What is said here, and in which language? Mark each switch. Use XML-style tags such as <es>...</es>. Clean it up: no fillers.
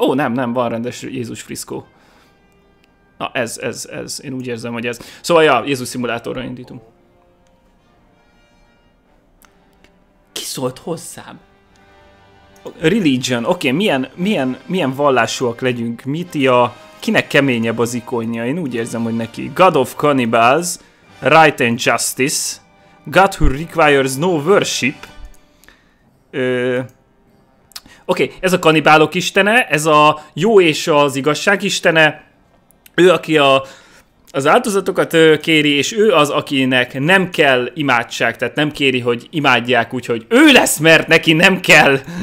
<hu>Ó, nem, van rendes Jézus friszkó. Na, ez, én úgy érzem, hogy ez. Szóval, ja, Jézus szimulátorra indítunk. Szólt hozzám. Religion. Oké, milyen vallásúak legyünk? Mitia, kinek keményebb az ikonja? Én úgy érzem, hogy neki.</hu> <en>God of Cannibals, Right and Justice, God who requires no worship.</en> <hu>Oké, ez a kannibálok istene, ez a jó és az igazság istene. Ő, aki a Az áldozatokat kéri, és ő az, akinek nem kell imádság, tehát nem kéri, hogy imádják, úgyhogy ő lesz, mert neki nem kell.</hu>